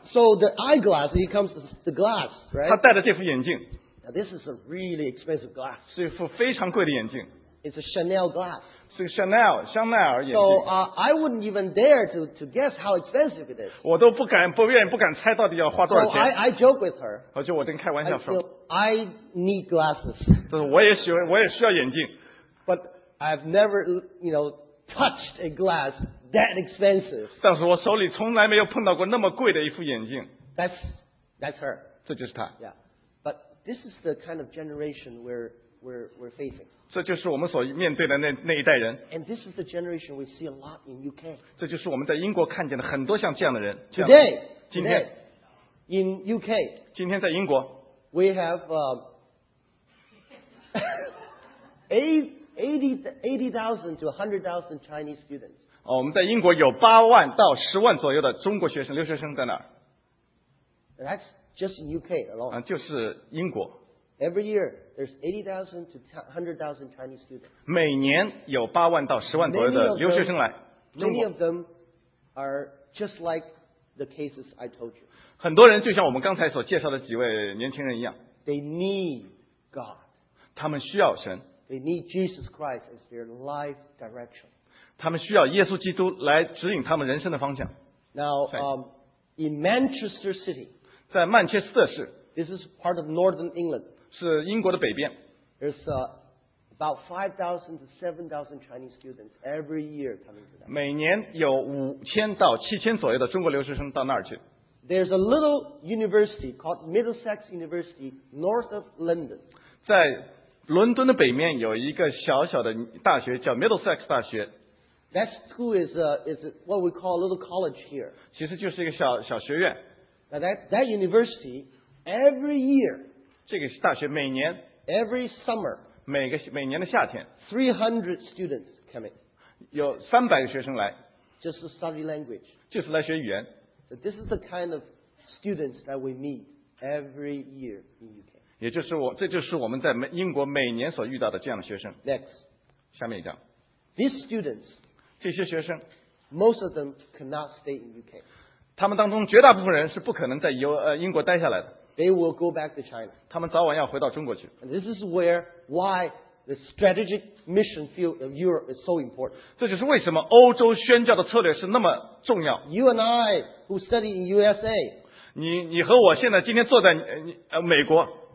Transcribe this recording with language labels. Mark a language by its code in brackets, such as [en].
[en] So the eyeglass, he comes the glass, right? [zh] 他戴的这副眼镜。 [en] Now this is a really expensive glass. [zh] 是一副非常贵的眼镜。 [en] It's a Chanel glass. [zh] 是个香奈儿眼镜。 [en] So I wouldn't even dare to guess how expensive it is. [zh] 我都不敢猜到底要花多少钱。 [en] So I joke with her. [zh] 我就我跟开玩笑说。 [en] I need glasses. [zh] 就是我也需要眼镜。 [en] But I've never, you know, touched a glass. That expensive. [zh] 但是我手里从来没有碰到过那么贵的一副眼镜。 [en] That's her. [zh] 这就是她。 [en] Yeah. But this is the kind of generation we're facing. [zh] 这就是我们所面对的那一代人。 [en] And this is the generation we see a lot in UK. [zh] 这就是我们在英国看见的很多像这样的人。 [en] Today. [zh] 今天。 [en] Today, in UK. [zh] 今天在英国。 [en] We have 80,000 to 100,000 Chinese students. [zh] 我们在英国有8万到10万左右的中国学生留学生在那儿。 [en] That's just in UK alone. [zh] 就是英国。 [en] Every year there's 80,000 to 100,000 Chinese students. [zh] 每年有8万到10万左右的留学生来。 [en] Many of them are just like the cases I told you. [zh] 很多人就像我们刚才所介绍的几位年轻人一样。 [en] They need God. [zh] 他们需要神。 [en] They need Jesus Christ as their life direction. [zh] 他们需要耶稣基督来指引他们人生的方向。 [en] Now, in Manchester City, [zh] 在曼彻斯特市 [en] ，this is part of Northern England, [zh] 是英国的北边。 [en] There's about 5,000 to 7,000 Chinese students every year coming to that. [zh] 每年有5000到7000左右的中国留学生到那儿去。 [en] There's a little university called Middlesex University north of London. [zh] 在伦敦的北面有一个小小的大学叫 Middlesex 大学。 [en] That school is what we call a little college here. [zh] 其实就是一个小学院。 [en] Now that university every year. [zh] 这个大学每年。 [en] Every summer. [zh] 每年的夏天。 [en] 300 students come in. [zh] 有300个学生来。 [en] Just to study language. [zh] 就是来学语言。 [en] So this is the kind of students that we meet every year in UK. [zh] 也就是这就是我们在英国每年所遇到的这样的学生。 [en] Next. [zh] 下面一张。 [en] These students. [zh] 这些学生 [en] ，most of them cannot stay in UK. [zh] 他们当中绝大部分人是不可能在英国待下来的。 [en] They will go back to China. [zh] 他们早晚要回到中国去。 [en] And this is why the strategic mission field of Europe is so important. [zh] 这就是为什么欧洲宣教的策略是那么重要。 [en] You and I who study in USA. [zh] 你和我现在今天坐在美国。